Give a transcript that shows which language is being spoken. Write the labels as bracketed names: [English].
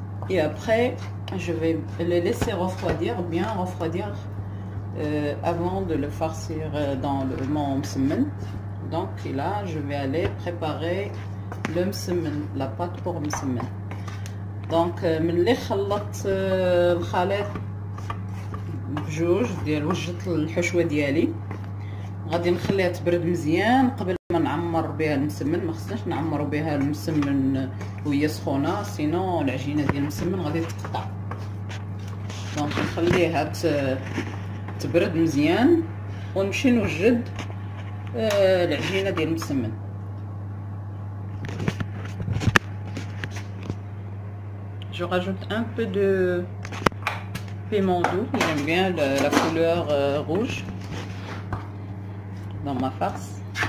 [French] Et après, je vais les laisser refroidir, bien refroidir, avant de le farcir dans le msemen. Donc là, je vais aller préparer le msemen, la pâte pour msemen. [Arabic] Donc, ملي خلطت الخليط بجوج ديال وجدت الحشوة ديالي غادي نخليها تبرد مزيان قبل ما نعمر بها المسمن. ما خصناش نعمر بها المسمن وهي سخونه، سينو العجينه ديال المسمن غادي تقطع. دونك نخليها تبرد مزيان ونمشي نوجد العجينه ديال المسمن. [French] Je rajoute un peu de piment doux, j'aime bien la couleur rouge dans ma farce.